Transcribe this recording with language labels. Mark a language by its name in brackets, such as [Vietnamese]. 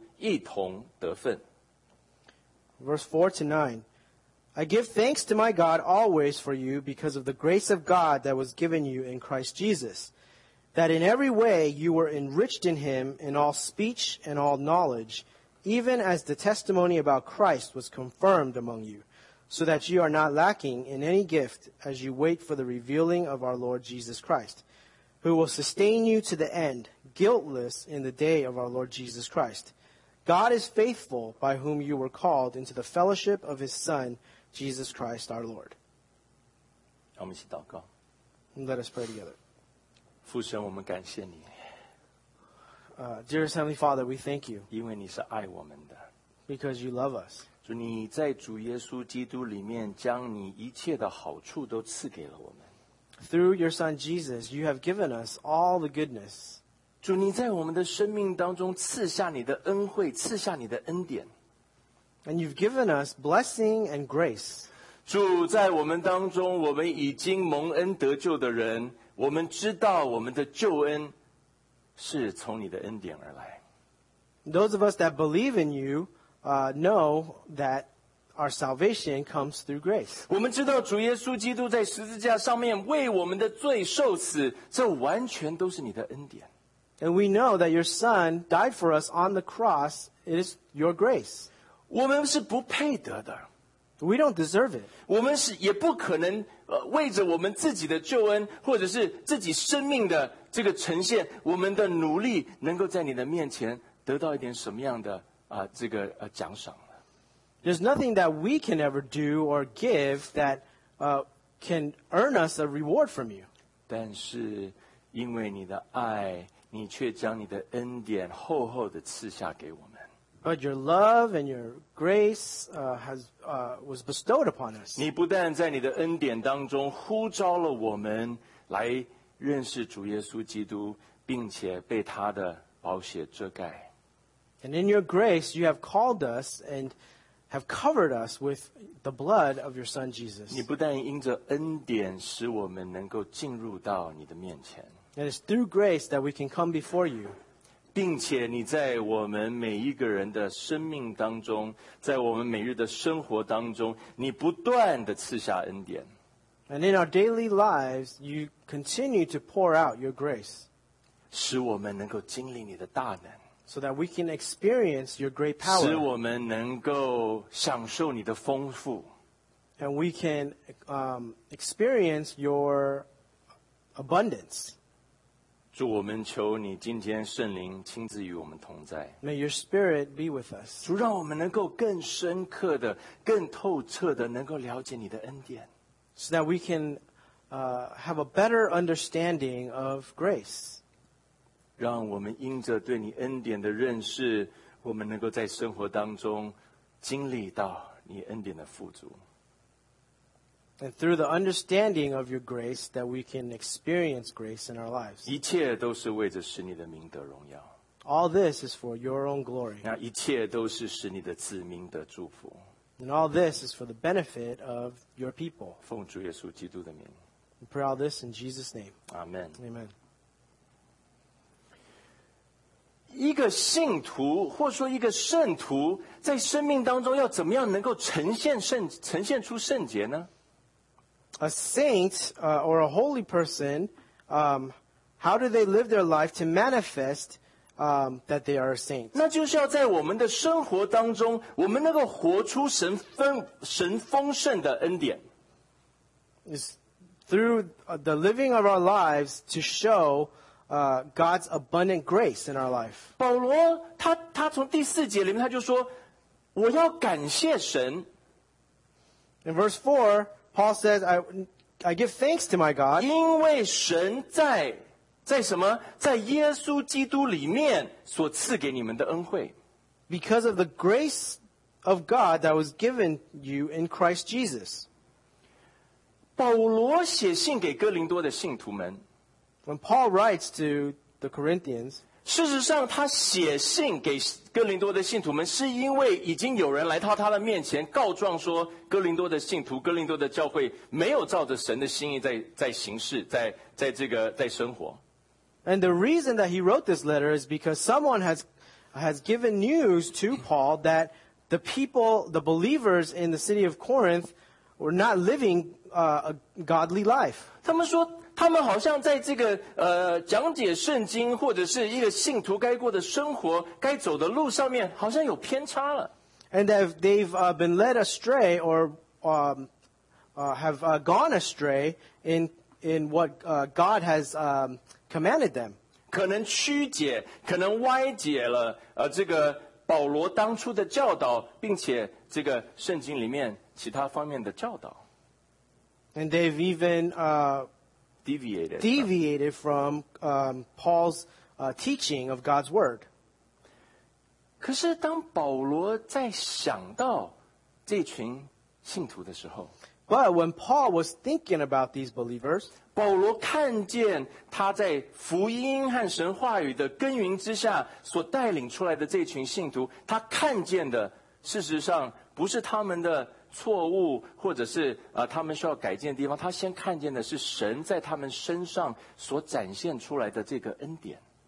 [Chinese] 然后等候我们的主耶稣基督显现。他也必坚定你们到底,叫你们在我们主耶稣基督的日子无可责备。神是信实的,你们原是被他所召的,好与他儿子我们的主耶稣基督一同得分。 [English] Verse 4 to 9. I give thanks to my God always for you because of the grace of God that was given you in Christ Jesus. That in every way you were enriched in him in all speech and all knowledge, even as the testimony about Christ was confirmed among you, so that you are not lacking in any gift as you wait for the revealing of our Lord Jesus Christ, who will sustain you to the end, guiltless in the day of our Lord Jesus Christ. God is faithful by whom you were called into the fellowship of his Son, Jesus Christ our Lord. Let us pray together. [Chinese] 父神,我们感谢你。 [English] Dearest Heavenly Father, we thank you. [Chinese] 因为你是爱我们的。 [English] Because you love us. [Chinese] 主你在主耶稣基督里面将你一切的好处都赐给了我们。 [English] Through your son Jesus, you have given us all the goodness. [Chinese] 主你在我们的生命当中赐下你的恩惠，赐下你的恩典。 [English] And you've given us blessing and grace. [Chinese] 主在我们当中，我们已经蒙恩得救的人，我们知道我们的救恩是从你的恩典而来。 [English] Those of us that believe in you, know that our salvation comes through grace. [Chinese] 我们知道主耶稣基督在十字架上面为我们的罪受死，这完全都是你的恩典。 [English] And we know that your son died for us on the cross. It is your grace. [Chinese] 我们是不配得的。 [English] We don't deserve it. [Chinese] 我们是也不可能为着我们自己的救恩或者是自己生命的这个呈现，我们的努力能够在你的面前得到一点什么样的这个奖赏呢？ [English] There's nothing that we can ever do or give that can earn us a reward from you. [Chinese] 但是因为你的爱，你却将你的恩典厚厚的赐下给我们。 [English] But your love and your grace was bestowed upon us. [Chinese] 你不但在你的恩典当中呼召了我们来认识主耶稣基督，并且被他的宝血遮盖。 [English] And in your grace, you have called us and have covered us with the blood of your son Jesus. [Chinese] 你不但因着恩典使我们能够进入到你的面前。 [English] And it's through grace that we can come before you. [Chinese] 并且你在我们每一个人的生命当中，在我们每日的生活当中，你不断地赐下恩典。 [English] And in our daily lives, you continue to pour out your grace. [Chinese] 使我们能够经历你的大能。 [English] So that we can experience your great power. [Chinese] 使我们能够享受你的丰富。 [English] And we can experience your abundance. [Chinese] 主，我们求你今天圣灵亲自与我们同在。 [English] May your spirit be with us. [Chinese] 主，让我们能够更深刻的、更透彻的能够了解你的恩典。 [English] So that we can have a better understanding of grace. [Chinese] 让我们因着对你恩典的认识，我们能够在生活当中经历到你恩典的富足。 [English] And through the understanding of your grace, that we can experience grace in our lives. [Chinese] 一切都是为着使你的名得荣耀。 [English] All this is for your own glory. [Chinese] 那一切都是使你的子民得祝福。 [English] And all this is for the benefit of your people. [Chinese] 奉主耶稣基督的名。 [English] We pray all this in Jesus' name. Amen. Amen. [Chinese] 一个信徒或说一个圣徒在生命当中要怎么样能够呈现出圣洁呢？ [English] A saint or a holy person, how do they live their life to manifest that they are a saint? [Chinese] 那就是要在我们的生活当中，我们能够活出神丰盛的恩典。 [English] It's through the living of our lives to show God's abundant grace in our life. [Chinese] 保罗他从第四节里面他就说，我要感谢神。 [English] In verse 4, Paul says, I give thanks to my God. [Chinese] 因为神在什么？在耶稣基督里面所赐给你们的恩惠。 [English] Because of the grace of God that was given you in Christ Jesus. [Chinese] 保罗写信给哥林多的信徒们。 [English] When Paul writes to the Corinthians, [Chinese] 事实上他写信给哥林多的信徒们是因为已经有人来到他的面前告状说哥林多的信徒哥林多的教会没有照着神的心意在行事在生活。 [English] And the reason that he wrote this letter is because someone has given news to Paul that the people, the believers in the city of Corinth were not living a godly life. [Chinese] 他们说他们好像在这个讲解圣经或者是一个信徒该过的生活该走的路上面好像有偏差了。 [English] And that they've been led astray or have gone astray in what God has commanded them. [Chinese] 可能曲解可能歪解了这个保罗当初的教导并且这个圣经里面其他方面的教导。 [English] And they've even Deviated from Paul's teaching of God's word. [Chinese] 可是当保罗在想到这群信徒的时候 [English] But when Paul was thinking about these believers, [Chinese] 保罗看见他在福音和神话语的耕耘之下所带领出来的这群信徒，他看见的事实上不是他们的错误，或者是他们需要改进的地方，他先看见的是神在他们身上所展现出来的这个恩典。